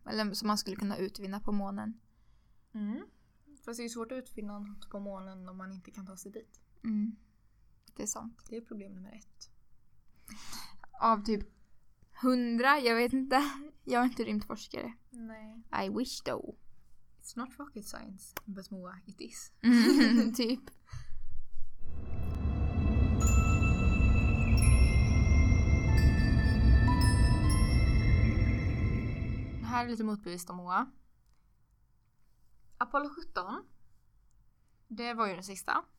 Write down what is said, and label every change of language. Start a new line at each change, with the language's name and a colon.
Swedish: Eller som man skulle kunna utvinna på månen. Mm. För det är ju svårt att utvinna något på månen om man inte kan ta sig dit. Mm. Det är sant. Det är problem nummer ett. Av typ 100, jag vet inte. Jag är inte rymdforskare. Nej.
English: I wish though. It's not rocket science, but Moa, it is.
Swedish: Typ. Det här är lite motbevist om Moa. Apollo 17, det var ju den sista.